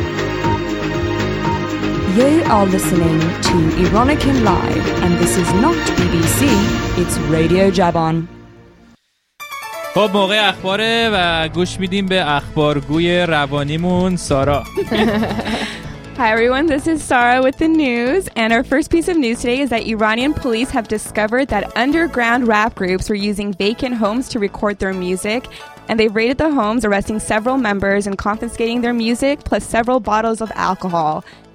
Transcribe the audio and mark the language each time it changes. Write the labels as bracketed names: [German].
[English] listening to Ironican Live, and this is not BBC, it's Radio Jaban. [Persian] خب موقع اخباره و گوش میدیم به اخبارگوی روانیمون سارا. [English] Hi everyone, this is Sara with the news, and our first piece of news today is that Iranian police have discovered that underground rap groups were using vacant homes to record their music, and they raided the homes, arresting several members and confiscating their music plus several bottles of alcohol.